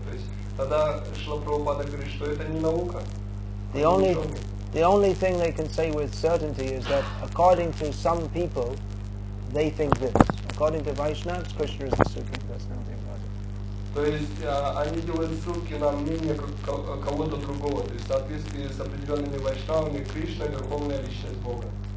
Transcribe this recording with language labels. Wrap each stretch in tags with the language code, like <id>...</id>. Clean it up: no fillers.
<ru>То есть тогда Шрила Прабхупада говорит, что это не наука.</ru> <en>The only thing they can say with certainty is that according to some people, they think this. According to Vaishnavas, Krishna is the Supreme Personality of Godhead.</en> <ru>То есть они делают ссылки на мнение кого-то другого. То есть в соответствии с определенными вайшнавами, Кришна — верховная личность Бога.</ru>